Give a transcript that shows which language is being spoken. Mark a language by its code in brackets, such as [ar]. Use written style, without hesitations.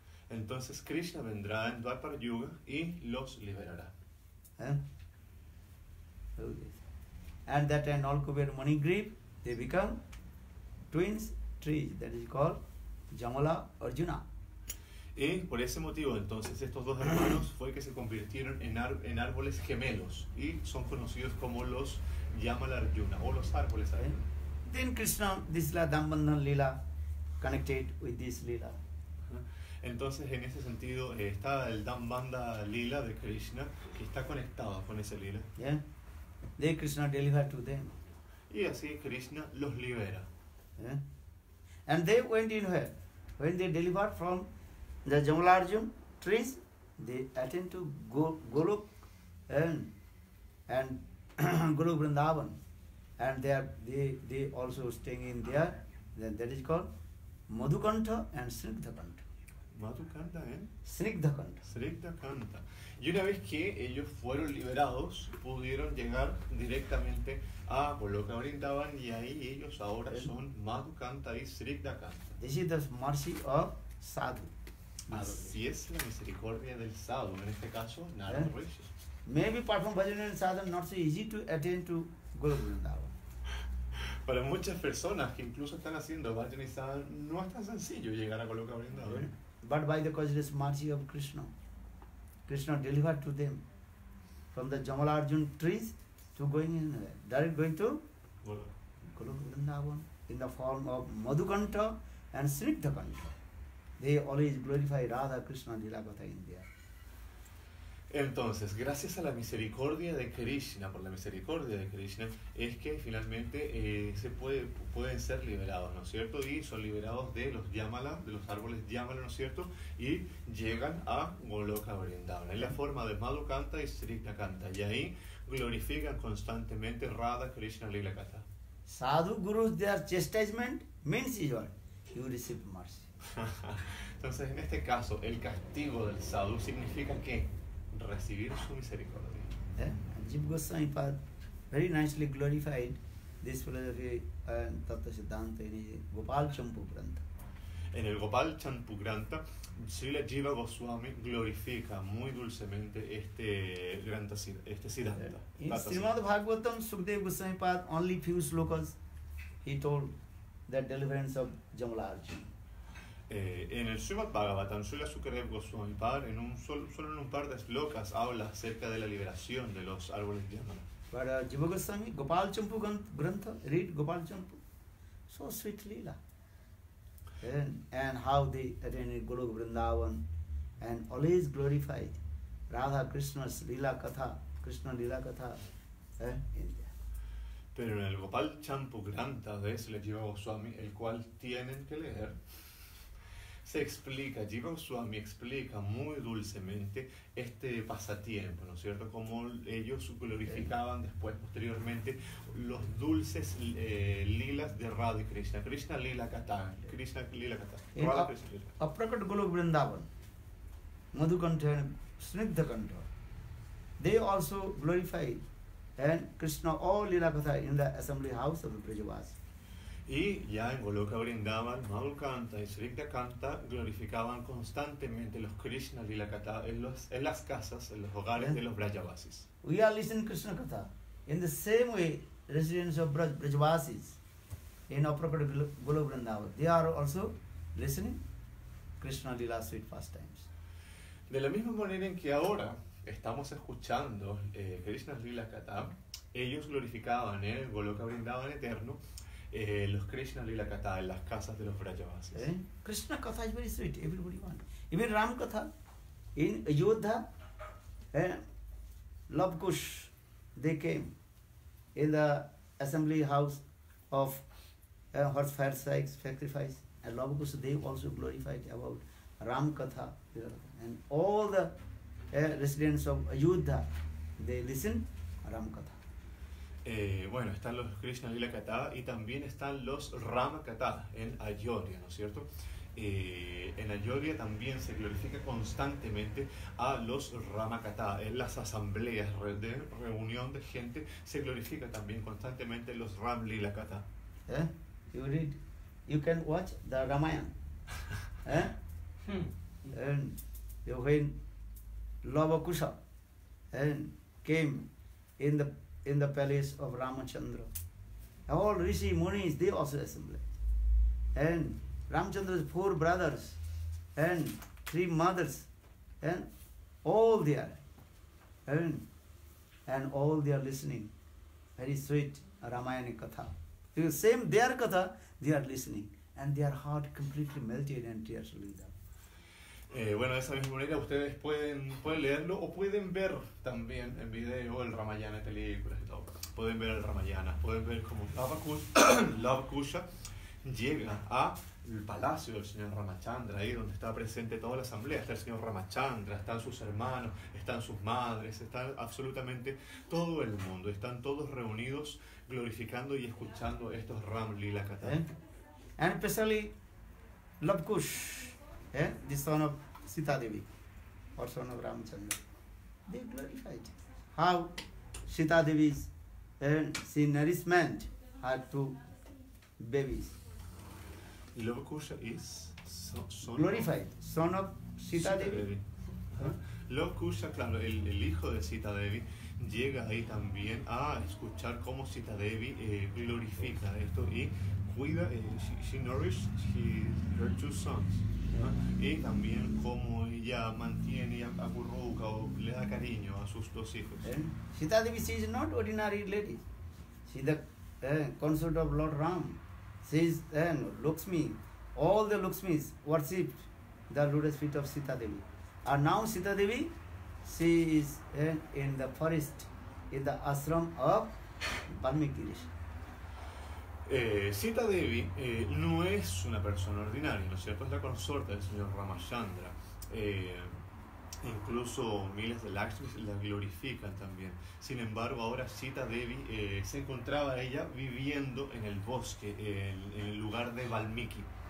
[es] Entonces Krishna vendrá en Dwapara Yuga y los liberará. [en] And that an all cover money grip, they become twins trees, that is called Jamala Arjuna. [es] Y por ese motivo entonces estos dos hermanos fue que se convirtieron en árboles gemelos y son conocidos como los Jamala Arjuna o los árboles Arjuna. [en] Then Krishna, this la Dambandhan Lila, connected with this Lila. [es] Entonces, en ese sentido, está el Dambanda Lila de Krishna, que está conectado con ese Lila. [en] Yeah. Then Krishna delivers to them. [es] Y así Krishna los libera. [en] Yeah. And they went in where? When they deliver from the Jamala Arjuna trees, they attend to Golok and Golok Vrindavan. And they also staying in there, then that is called Madhukanta and Snigdhakanta. Madhukanta, Snigdhakanta. Snigdhakanta. [es] Y una vez que ellos fueron liberados, pudieron llegar directamente a Goloka Vrindavan y ahí ellos ahora son Madhukanta y Snigdhakanta. [en] This is the mercy of sadhu. [es] Así es la misericordia del sadhu, en este caso, Narada Rishi. [en] Maybe perform bhajan and sadhu not so easy to attend to Goloka Vrindavan. [es] Para muchas personas que incluso están haciendo bhajan y sadhan, no es tan sencillo llegar a Goloka Vrindavan. [en] But by the causeless mercy of Krishna, Krishna delivered to them from the Jamala Arjuna trees to going in there. Direct going to Goloka Vrindavan in the form of Madhukanta and Snigdhakanta. They always glorify Radha Krishna Lila Katha in there. [es] Entonces, gracias a la misericordia de Krishna, por la misericordia de Krishna, es que finalmente pueden ser liberados, ¿no es cierto? Y son liberados de los Yamala, de los árboles Yamala, ¿no es cierto? Y llegan a Goloka Vrindavan, en la forma de Madhukanta y Srikna Kanta. Y ahí glorifican constantemente Radha, Krishna, Lila Kata. [en] Sadhu Gurus, their chastisement means you are, you receive mercy. [es] Entonces, en este caso, el castigo del Sadhu significa que recibir su misericordia. [en] Yeah. Jiva Goswami Pada very nicely glorified this philosophy and Tata Siddhanta in Gopal Champu Granta. [es] En el Gopal Champu Granta, Srila Jiva Goswami glorifica muy dulcemente este Granta, este Siddhanta. Yeah. [en] In Srimad Bhagavatam, Sukadeva Goswami Pada only few slokas he told the deliverance of Yamala Arjuna. [es] En el Srimad Bhagavatam, Srila Sukadev Goswami Pada, en un solo en un par de slokas habla acerca de la liberación de los árboles de Yamala. [en] Para Jiva Goswami, Gopal Champu Granta, read Gopal Champu, so sweet lila. And how they attained Goloka Vrindavan and always glorified Radha Krishna's lila katha, Krishna lila katha, in India. [es] Pero en el Gopal Champu Granta de Srila Jiva Goswami, el cual tienen que leer, se explica, Jiva Goswami explica muy dulcemente este pasatiempo, ¿no es cierto? Como ellos glorificaban después, posteriormente, los dulces lilas de Radha y Krishna. Krishna lila katha, Krishna lila katha. [en] Aprakat Goloka Vrindavan, Madhukanta and Snigdha Kanta, they also glorify and Krishna all lila katha in the assembly house of the Brajavasi. [es] Y ya en Goloka Vrindavan, Madhukanta y Srikta Kanta glorificaban constantemente los Krishna Lila Katha en las casas, en los hogares de los Brajavasis. [en] We are listening Krishna Katha in the same way residents of Brajavasis in appropriate Goloka Vrindavan. They are also listening Krishna Lila sweet pastimes. [es] De la misma manera en que ahora estamos escuchando Krishna Lila Katha, ellos glorificaban el Goloka Vrindavan eterno. Los Krishna Lila Katha en las casas de los Vrajavasis. [en] Krishna Katha is very sweet, everybody wants. Even Ram Katha in Ayodhya, Lav Kush, they came in the assembly house of horse fire sacrifice, and Lav Kush they also glorified about Ram Katha. And all the residents of Ayodhya, they listened Ram Katha. [es] Bueno, están los Krishna Lila Katha y también están los Rama Katha en Ayodhya, ¿no es cierto? En Ayodhya también se glorifica constantemente a los Rama Katha. En las asambleas de reunión de gente se glorifica también constantemente los Ram Lila Katha. [en] You read, you can watch the Ramayana. And when Lava Kusha came in the palace of Ramachandra, all Rishi Munis they also assembled, and Ramachandra's four brothers and three mothers and all there, and all they are listening very sweet Ramayana katha, the same their katha they are listening, and their heart completely melted and tears rolling down. [es] Bueno, de esa misma manera ustedes pueden leerlo o pueden ver también en video el Ramayana, películas y todo. Pueden ver el Ramayana, pueden ver cómo Lava Kusha llega al palacio del señor Ramachandra, ahí donde está presente toda la asamblea. Está el señor Ramachandra, están sus hermanos, están sus madres, está absolutamente todo el mundo. Están todos reunidos glorificando y escuchando estos Ram Lila Katha. [en] And especially Lava Kusha. The son of Sita Devi or son of Ramachandra, they glorified how Sita Devi's she nourishment had two babies. Lav Kusha is son of Sita Devi. [es] Lav Kusha, claro, el hijo de Sita Devi llega ahí también a escuchar cómo Sita Devi glorifica esto y cuida, [en] she nourishes her two sons. [es] Y también cómo ella mantiene a Akurruka o le da cariño a sus dos hijos. [en] Sita Devi, she is not ordinary lady. She is the consort of Lord Ram. She is Lakshmi. All the Lakshmis worshipped the lotus feet of Sita Devi. And now Sita Devi, she is in the forest, in the ashram of Valmiki Rishi. [es] Sita Devi no es una persona ordinaria, ¿no es cierto? Es la consorte del señor Ramachandra. Incluso miles de Lakshmis la glorifican también. Sin embargo, ahora Sita Devi se encontraba ella viviendo en el bosque, en el lugar de Valmiki.